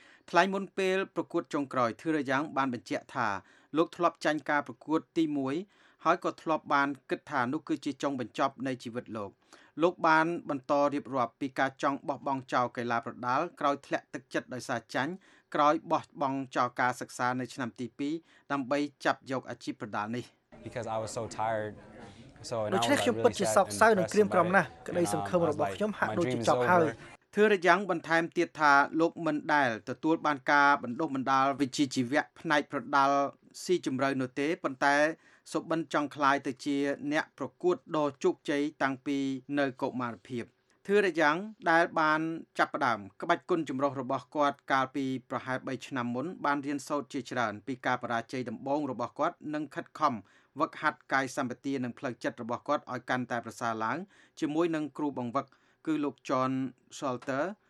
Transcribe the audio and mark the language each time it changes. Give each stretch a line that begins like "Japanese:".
Khmer: ថ្លៃមុនពេលប្រកួតចុងក្រោយធឺរ៉ាយ៉ាងបានបញ្ជាក់ថាលោកធ្លាប់ចាញ់ការប្រកួតទី1ហើយក៏ធ្លាប់បានគិតថានោះគឺជាចុងបញ្ចប់នៃជីវិតលោកលោកបានបន្តរៀបរាប់ពីការចង់បោះបង់ចោលកីឡាប្រដាល់ក្រោយធ្លាក់ទឹកចិត្តដោយសារចាញ់ក្រោយបោះបង់ចោលការសិក្សានៅឆ្នាំទី2ដើម្បីចាប់យកអាជីពប្រដាល់នេះ
English: Because I was so tired so and I really
Khmer: ពិតជាសោកសៅនិងក្រៀមក្រំណាស់ក្តីសង្ឃឹមរបស់ខ្ញុំហាក់ដូចជាចប់ហើយ ធឺរយ៉ាងបន្ថែមទៀតថាលោកមិនដែលទទួលបានការបណ្ដុះបណ្ដាលវិជ្ជាជីវៈផ្នែកប្រដាល់ស៊ីជម្រៅនោះទេប៉ុន្តែ សុបិនចង់ខ្លាយទៅជាអ្នកប្រកួតដ៏ជោគជ័យតាំងពីនៅកុមារភាពធឺរយ៉ាងដែលបានចាប់ផ្ដើមក្បាច់គុណចម្រុះរបស់គាត់កាលពីប្រហែល3ឆ្នាំមុនបានរៀនសូត្រជាច្រើនពីការបរាជ័យដំបូងរបស់គាត់និងខិតខំវឹកហាត់កាយសម្បទានិងផ្លូវចិត្តរបស់គាត់ឲ្យកាន់តែប្រសើរឡើងជាមួយនឹងគ្រូបង្វឹកគឺលោក John Salter